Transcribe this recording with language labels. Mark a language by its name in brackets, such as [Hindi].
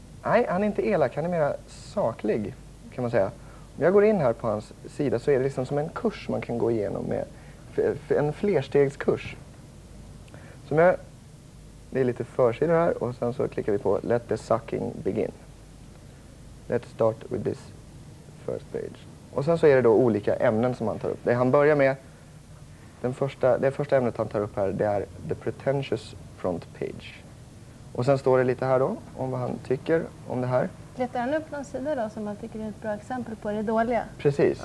[Swedish] Nej, han är inte elak. Han är mer saklig, kan man säga. Om jag går in här på hans sida så är det liksom som en kurs man kan gå igenom med. En flerstegskurs. Som jag. Det är lite försidor här och sen så klickar vi på [English] Let the sucking begin. Let's start with this first page. [Swedish] Och sen så är det då olika ämnen som han tar upp. Det han börjar med, det första ämnet han tar upp här, det är [English] The pretentious front page. [Swedish] Och sen står det lite här då om vad han tycker om det här. Letar han upp någon sida då som han tycker är ett bra exempel på det dåliga? Precis.